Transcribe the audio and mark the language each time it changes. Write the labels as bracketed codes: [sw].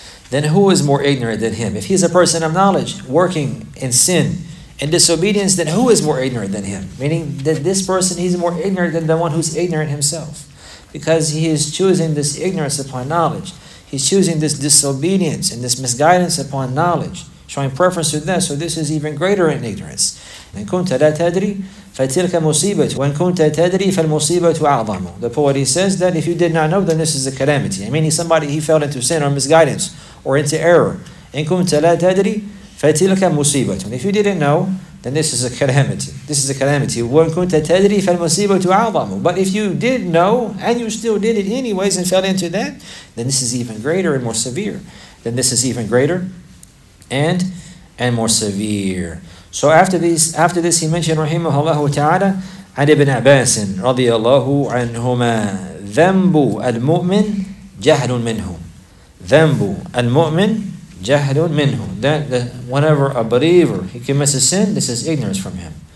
[en] Then who is more ignorant than him? If he's a person of knowledge working in sin and disobedience, then who is more ignorant than him? Meaning that this person, he's more ignorant than the one who's ignorant himself, because he is choosing this ignorance upon knowledge. He's choosing this disobedience and this misguidance upon knowledge, showing preference to that. So this is even greater in ignorance. [ar] إن كنت لا تدري فتلك مصيبة وإن كنت تدري فالمصيبة أعظم. [en] The poet, he says that if you did not know, then this is a calamity. I mean, somebody, he fell into sin or misguidance or into error. [ar] إن كنت لا تدري فتلك مصيبة. [en] If you didn't know, then this is a calamity. This is a calamity. [ar] وإن كنت تدري فالمصيبة أعظم. [en] But if you did know and you still did it anyways and fell into that, then this is even greater and more severe. Then this is even greater and more severe. So after this, he mentioned, rahimahullah ta'ala, Ali ibn Abbas radiyallahu anhuma, [ar] ذَنْبُ al-mu'min جَهْلٌ مِنْهُ. ذَنْبُ al-mu'min جَهْلٌ مِنْهُ. [en] That whenever a believer, he commits a sin, this is ignorance from him.